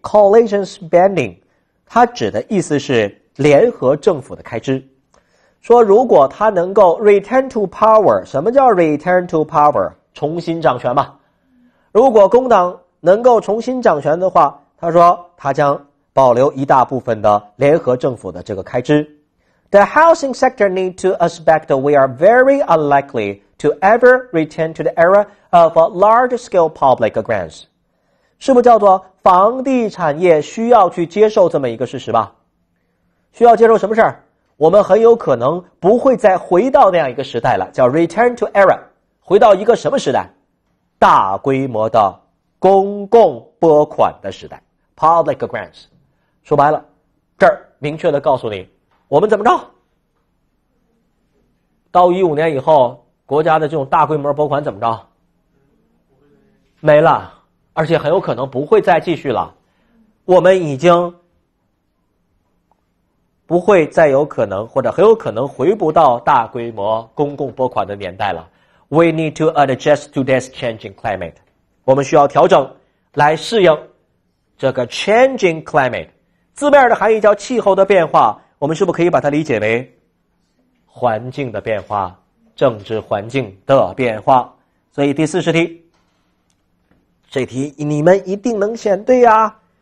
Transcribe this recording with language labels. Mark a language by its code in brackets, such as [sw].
[en] Coalition spending， [zh] 它指的意思是联合政府的开支。说如果它能够 [en] return to power， [zh] 什么叫 return to power？重新掌权嘛。如果工党能够重新掌权的话，他说他将保留一大部分的联合政府的这个开支。 [en] The housing sector need to expect we are very unlikely. To ever return to the era of large-scale public grants， [zh] 是不是叫做房地产业需要去接受这么一个事实吧？需要接受什么事儿？我们很有可能不会再回到那样一个时代了，叫 [en] return to era， [zh] 回到一个什么时代？大规模的公共拨款的时代 ， [en] public grants。 [zh] 说白了，这儿明确的告诉你，我们怎么着？到15年以后。国家的这种大规模拨款怎么着？没了，而且很有可能不会再继续了。我们已经不会再有可能，或者很有可能回不到大规模公共拨款的年代了。 [en] We need to adjust to this changing climate. [zh] 我们需要调整来适应这个 [en] changing climate. [zh] 字面的含义叫气候的变化，我们是不是可以把它理解为环境的变化？政治环境的变化，所以第40题，这题你们一定能选对啊。